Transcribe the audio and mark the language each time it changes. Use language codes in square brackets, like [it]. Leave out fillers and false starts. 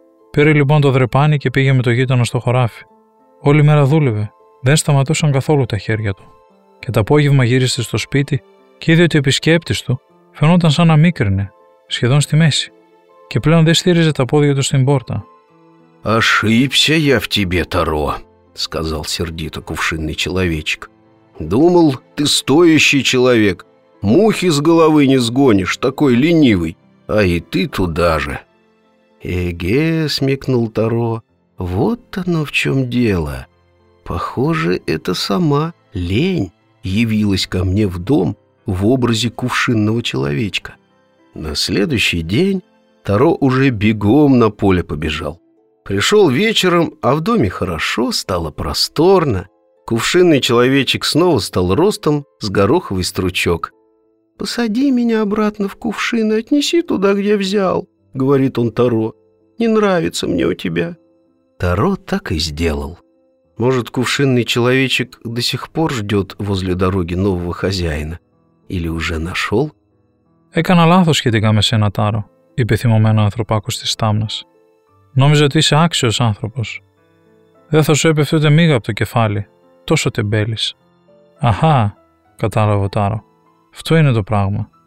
[el] Πήρε λοιπόν το δρεπάνι και πήγε με το γείτονα στο χωράφι. Όλη μέρα δούλευε, δεν σταματούσαν καθόλου τα χέρια του. Και το απόγευμα γύρισε στο σπίτι και είδε ότι ο επισκέπτης του φαινόταν σαν να μίκρινε, σχεδόν στη μέση, και πλέον δεν στήριζε τα πόδια του στην πόρτα. [ru] «Ошибся я в тебе, Таро», сказал сердито кувшинный человечек. «Думал, ты стоящий человек. Мухи с головы не сгонишь, такой ленивый. А и ты туда же». «Эге», смекнул Таро, «вот оно в чем дело. Похоже, это сама лень явилась ко мне в дом в образе кувшинного человечка». На следующий день Таро уже бегом на поле побежал. Пришел вечером, а в доме хорошо, стало просторно. Кувшинный человечек снова стал ростом с гороховый стручок. «Посади меня обратно в кувшин и отнеси туда, где взял», — говорит он Таро. «Не нравится мне у тебя». Таро так и сделал. Может, кувшинный человечек до сих пор ждет возле дороги нового хозяина? Или уже нашел? [el] «Έκανα λάθος σχετικά με σένα, Τάρο», είπε θυμωμένο ο ανθρωπάκος της θάμνας. «Νόμιζα ότι είσαι άξιος άνθρωπος. Δεν θα σου έπεφτε ούτε μίγα από το κεφάλι, τόσο τεμπέλης». «Αχα», κατάλαβε ο Τάρο. «Αυτό είναι το πράγμα.